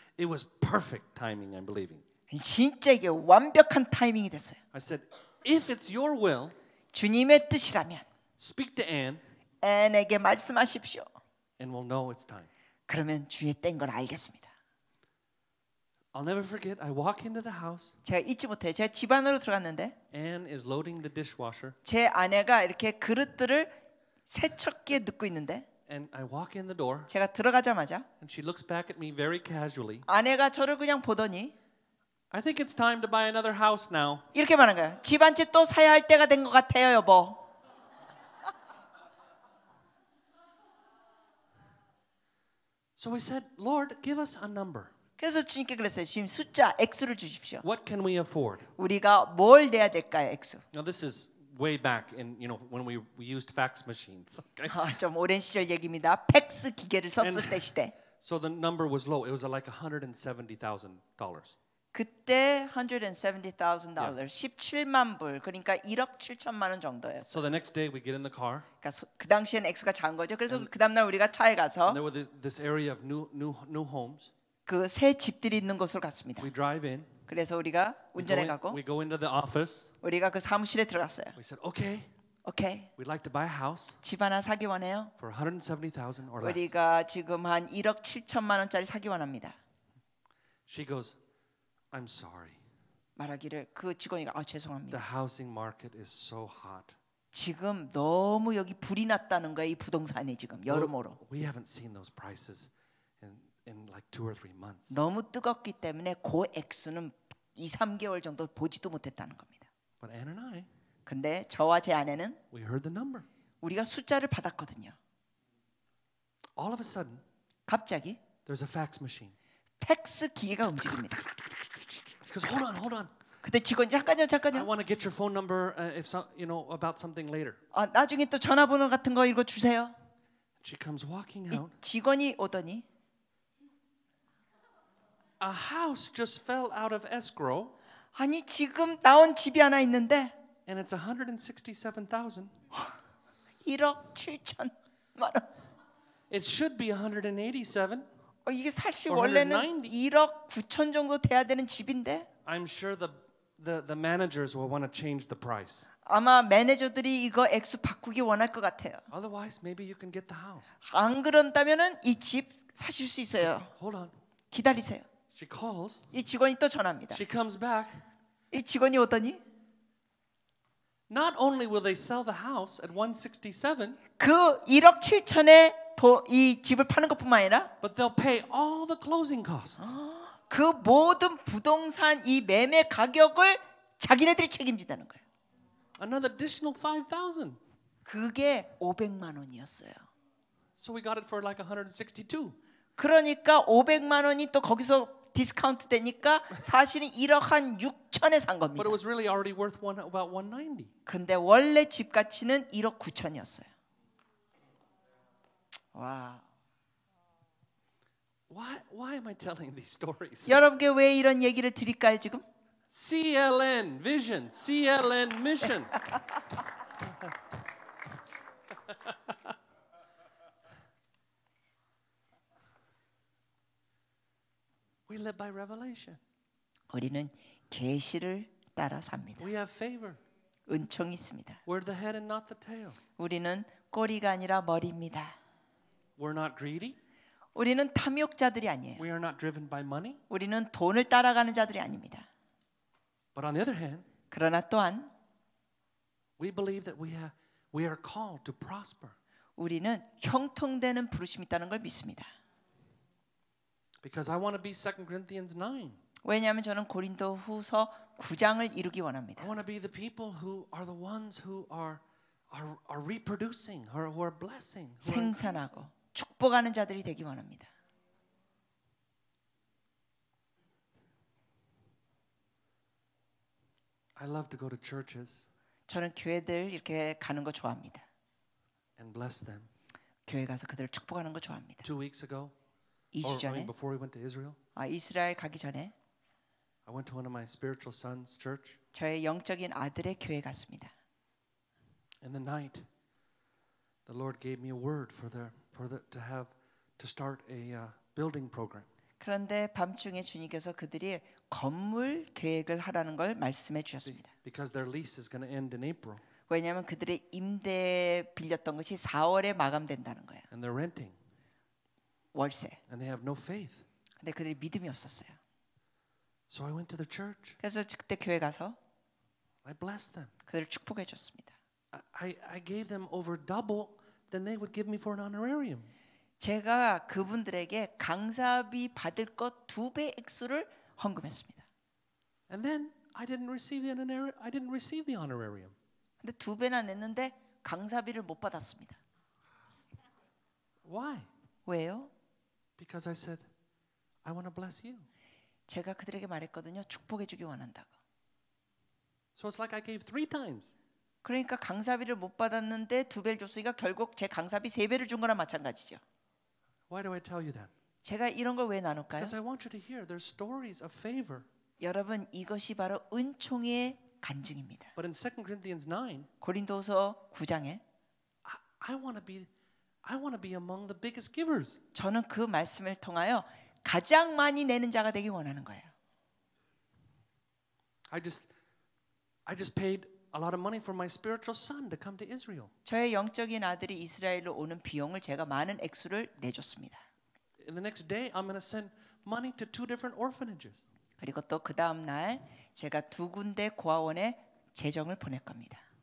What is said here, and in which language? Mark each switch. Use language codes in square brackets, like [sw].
[en] It was perfect timing, I'm believing. [ko] 진짜 이게 완벽한 타이밍이 됐어요. [en] I said, if it's your will. [ko] 주님의 뜻이라면. [en] Speak to Anne. [ko] Anne에게 말씀하십시오. [en] And we'll know it's time. [ko] 그러면 주의 때인 걸 알겠습니다. [en] I'll never forget. I walk into the house. [ko] 제가 잊지 못해. 제가 집 안으로 들어갔는데. [en] Anne is loading the dishwasher. [ko] 제 아내가 이렇게 그릇들을 세척기에 넣고 있는데. [en] And I walk in the door. [ko] 제가 들어가자마자. [en] And she looks back at me very casually. [ko] 아내가 저를 그냥 보더니. [en] I think it's time to buy another house now. [ko] 이렇게 말한 거야. 집 한 채 또 사야 할 때가 된 것 같아요, 여보. [en] So we said, Lord, give us a number. [ko] 그래서 주님께 그랬어요. 주님 숫자 X를 주십시오. [en] What can we afford? [ko] 우리가 뭘 내야 될까요, X? [en] Now this is way back in, you know, when we used fax machines. [ko] 좀 오랜 시절 얘기입니다. 팩스 기계를 썼을 때 시대. [en] So the number was low. It was like $170,000. [ko] 그때 $170,000, 17만 불, 그러니까 1억 7천만 원 정도였어요. [en] So the next day we get in the car. [ko] 그러니까 그 당시엔 액수가 작은 거죠. 그래서 그 다음 날 우리가 차에 가서 [en] there was this area of new homes. [ko] 그 새 집들이 있는 곳으로 갔습니다. [en] We drive in. [ko] 그래서 우리가 운전해 가고 [en] we go into the office. [ko] 우리가 그 사무실에 들어갔어요. [en] We said, okay. Okay. We'd like to buy a house. [ko] 집 하나 사기 원해요. [en] For $170,000 or less. [ko] 우리가 지금 한 1억 7천만 원짜리 사기 원합니다. [en] She goes, I'm sorry. [ko] 말하기를 그 직원이 아 죄송합니다. [en] The housing market is so hot. [ko] 지금 너무 여기 불이 났다는 거야 이 부동산에 지금 여름으로. [en] We haven't seen those prices in like 2 or 3 months. [ko] 너무 뜨겁기 때문에 그 액수는 2, 3개월 정도 보지도 못했다는 겁니다. [en] But Anne and I [ko] 근데 저와 제 아내는 [en] We heard the number. [ko] 우리가 숫자를 받았거든요. [en] All of a sudden [ko] 갑자기 [en] there's a fax machine. [ko] 팩스 기계가 움직입니다. [en] Because hold on, hold on. [ko] 근데 직원 잠깐요, 잠깐요. [en] I want to get your phone number if so, you know about something later. [ko] 아, 나중에 또 전화번호 같은 거 읽어 주세요. [en] She comes walking out. [ko] 직원이 오더니 [en] A house just fell out of escrow. [ko] 아니, 지금 나온 집이 하나 있는데 [en] And it's 167,000. [ko] 1억 7천. [en] It should be 187. [ko] 이게 사실 원래는 1억 9천 정도 돼야 되는 집인데. [en] I'm sure the managers will want to change the price. [ko] 아마 매니저들이 이거 액수 바꾸기 원할 것 같아요. [en] Otherwise, maybe you can get the house. [ko] 안 그런다면은 이 집 사실 수 있어요. [en] Hold on. [ko] 기다리세요. [en] She calls. [ko] 이 직원이 또 전합니다. [en] She comes back. [ko] 이 직원이 오더니. [en] Not only will they sell the house at 167. [ko] 그 1억 7천에 이 집을 파는 것뿐만 아니라 [en] But they'll pay all the closing costs. [ko] 그 모든 부동산 이 매매 가격을 자기네들이 책임진다는 거예요. [en] Another additional 5,000. [ko] 그게 500만 원이었어요. [en] So we got it for like 162. [ko] 그러니까 500만 원이 또 거기서 디스카운트 되니까 사실은 1억 한 6천에 산 겁니다. [en] But it was really already worth about 190. [ko] 근데 원래 집 가치는 1억 9천이었어요. 와. [en] Why am I telling these stories? [ko] 여러분께 왜 이런 얘기를 드릴까요, 지금? [en] CLN vision, CLN mission. We live by revelation. [ko] 우리는 계시를 따라 삽니다. [en] We have favor. [ko] 은총이 있습니다. [en] We're the head and not the tail. [ko] 우리는 꼬리가 아니라 머리입니다. [en] We're not greedy. [ko] 우리는 탐욕자들이 아니에요. [en] We are not driven by money. [ko] 우리는 돈을 따라가는 자들이 아닙니다. [en] But on the other hand, [ko] 그러나 또한 [en] we believe that we are called to prosper. [ko] 우리는 형통되는 부르심이 있다는 걸 믿습니다. [en] Because I want to be 2 Corinthians 9. [ko] 왜냐하면 저는 고린도후서 9장을 이루기 원합니다. [en] I want to be the people who are the ones who are reproducing or who are blessing. [ko] 생산하고 축복하는 자들이 되기 원합니다. [en] I love to go to churches. [ko] 저는 교회들 이렇게 가는 거 좋아합니다. [en] and bless them. [ko] 교회 가서 그들을 축복하는 거 좋아합니다. [en] 2 weeks ago. [ko] 2주 전에. [en] Or, I mean, before we went to Israel. [ko] 아, 이스라엘 가기 전에. [en] I went to one of my spiritual son's church. [ko] 저의 영적인 아들의 교회 갔습니다. [en] In the night, the Lord gave me a word to have to start a building program. [ko] 그런데 밤중에 주님께서 그들이 건물 계획을 하라는 걸 말씀해 주셨습니다. [en] Because their lease is going to end in April. [ko] 왜냐하면 그들의 임대 빌렸던 것이 4월에 마감된다는 거예요. [en] And they're renting. [ko] 월세. [en] And they have no faith. [ko] 근데 그들이 믿음이 없었어요. [en] So I went to the church. [ko] 그래서 그때 교회 가서 [en] I blessed them. [ko] 그들을 축복해 줬습니다. [en] I gave them over double than they would give me for an honorarium. [ko] 제가 그분들에게 강사비 받을 것 두 배 액수를 헌금했습니다. [en] And then I didn't receive the honorarium. I didn't receive the honorarium. [ko] 근데 두 배나 냈는데 강사비를 못 받았습니다. [en] Why? [ko] 왜요? [en] Because I said I want to bless you. [ko] 제가 그들에게 말했거든요. 축복해 주기 원한다고. [en] So it's like I gave three times. [ko] 그러니까 강사비를 못 받았는데 두 배를 줬으니까 결국 제 강사비 세 배를 준 거랑 마찬가지죠. [en] Why do I tell you that? [ko] 제가 이런 걸 왜 나눌까요? [en] Because I want you to hear there's stories of favor. [ko] 여러분 이것이 바로 은총의 간증입니다. [en] But in 2 Corinthians 9, [ko] 고린도서 9장에 [en] I want to be among the biggest givers. [ko] 저는 그 말씀을 통하여 가장 많이 내는 자가 되기 원하는 거예요. [en] I just paid a lot of money for my spiritual son to come to Israel. [ko] 저의 영적인 아들이 이스라엘로 오는 비용을 제가 많은 액수를 내줬습니다. [en] And the next day I'm going to send money to two different orphanages. [ko] 그리고 또 그다음 날 제가 두 군데 고아원에 재정을 보낼 겁니다.